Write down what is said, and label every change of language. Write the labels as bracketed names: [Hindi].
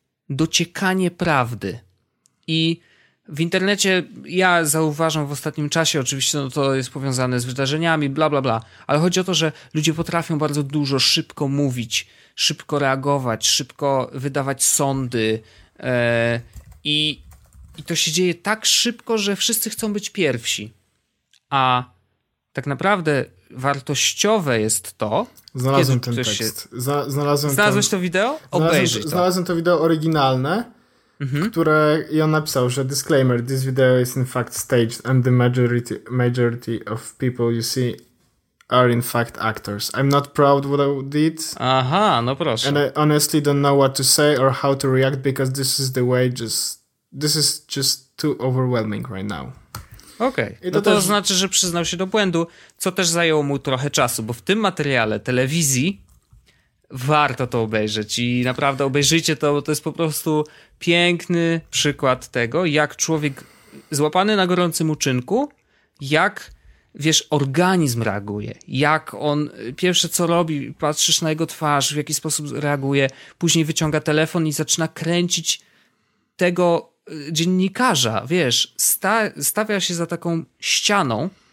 [Polish] dociekanie prawdy. I w internecie ja zauważam w ostatnim czasie, oczywiście no to jest powiązane z wydarzeniami, bla, bla, bla, ale chodzi o to, że ludzie potrafią bardzo dużo szybko mówić, szybko reagować, szybko wydawać sądy i to się dzieje tak szybko, że wszyscy chcą być pierwsi. A tak naprawdę wartościowe jest to... Znalazłem ten tekst. Znalazłeś to wideo? Obejrzyj to. Znalazłem to wideo oryginalne, które... I on napisał, że [English] disclaimer, this video is in fact staged and the majority of people you see are in fact actors. I'm not proud what I did. [Polish] Aha, no proszę. [English] And I honestly don't know what to say or how to react because this is the way just... This is just too overwhelming right now. [Polish] Okej, okay. No to też... znaczy, że przyznał się do błędu, co też zajęło mu trochę czasu, bo w tym materiale telewizji warto to obejrzeć i naprawdę obejrzyjcie to, bo to jest po prostu piękny przykład tego, jak człowiek złapany na gorącym uczynku, jak, wiesz, organizm reaguje, jak on, pierwsze co robi, patrzysz na jego twarz, w jaki sposób reaguje, później wyciąga telefon i zaczyna kręcić tego dziennikarza, wiesz, stawia się za taką ścianą